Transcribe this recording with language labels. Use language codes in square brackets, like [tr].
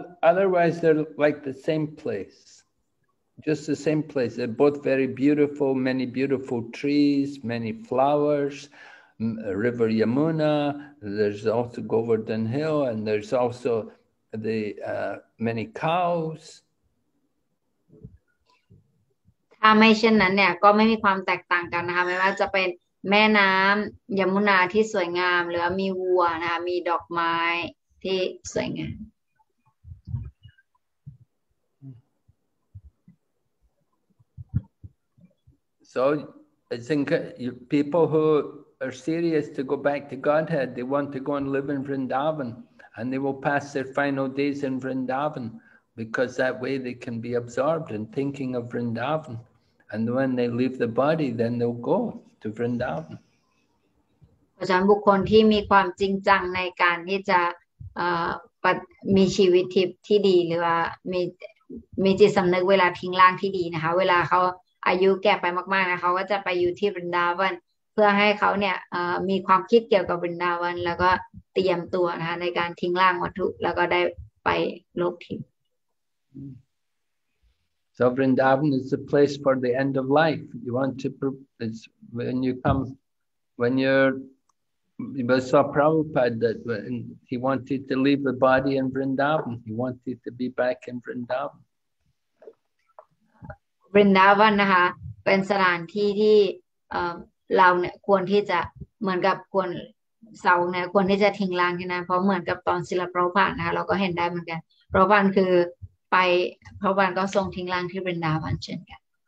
[en] otherwise they're like the same placeJust the same place. They're both very beautiful, many beautiful trees, many flowers, river Yamuna. There's also Govardhan Hill, and there's also the many cows. [th] ถ้าไม่เช่นนั้นเนี่ยก็ไม่มีความแตกต่างกันนะคะไม่ว่าจะเป็นแม่น้ำยมุนาที่สวยงามหรือมีวัวนะคะมีดอกไม้ที่สวยงาม [en] So I think people who are serious to go back to Godhead, they want to go and live in Vrindavan and they will pass their final days in Vrindavan because that way they can be absorbed in thinking of Vrindavan. And when they leave the body, then they'll go to Vrindavan. [th] เพราะฉะนั้นบุคคลที่มีความจริงจังในการที่จะมีชีวิตที่ดีหรือว่ามีจิตสำนึกเวลาทิ้งร่างที่ดีนะคะเวลาเขาอายุแก่ไปมากๆนะเขาก็จะไปอยู่ที่บรินดาวันเพื่อให้เขาเนี่ยมีความคิดเกี่ยวกับบรินดาวันแล้วก็เตรียมตัวนะคะในการทิ้งร่างวัตถุแล้วก็ได้ไปโลกทิพย์ [en] So Vrindavan is the place for the end of life. You want to it's when you come when you're you saw Prabhupada that when he wanted to leave the body in Vrindavan. He wanted to be back in Vrindavan. [th] บริณาวันนะคะเป็นสถานที่ที่เราเนี่ยควรที่จะเหมือนกับควรเสาเนี่ยควรที่จะทิ้งร่างที่นั่นเพราะเหมือนกับตอนศิลปราภานะคะเราก็เห็นได้เหมือนกันพระบาลคือไปพระบาลก็ทรงทิ้งร่างที่บริณาวันเช่นกัน